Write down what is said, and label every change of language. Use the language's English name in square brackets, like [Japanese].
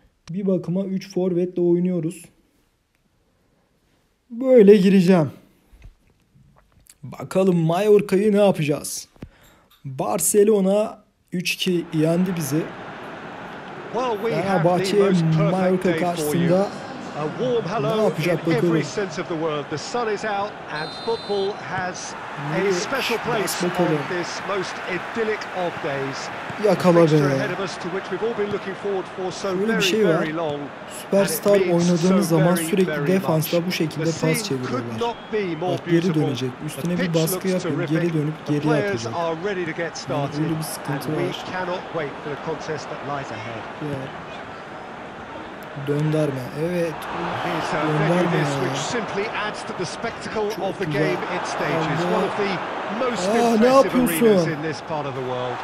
[Turkish] Bir bakıma 3 forvetle oynuyoruz. Böyle gireceğim. Bakalım Mallorca'yı ne yapacağız? Barcelona 3-2 yendi bizi. Fenerbahçe Mallorca karşısında. [English] A warm hello in every sense of the word. The sun is out and football has a special place on this most idyllic of days. Yakaladı. Ahead of us, to which we've all been looking forward for so very long. [Turkish] Süperstar oynadığımız zaman sürekli defansla bu şekilde pas çeviriyorlar. Bak, geri dönecek. Üstüne bir baskı yapıyor. Geri dönüp geri atacak. Böyle bir sıkıntı var. [English] We cannot wait for the contest that lies ahead. [Turkish] Döndürme. Evet. Döndürme. [English] Which simply adds to the spectacle of the game it stages. One of the most impressive arenas in this part of the world.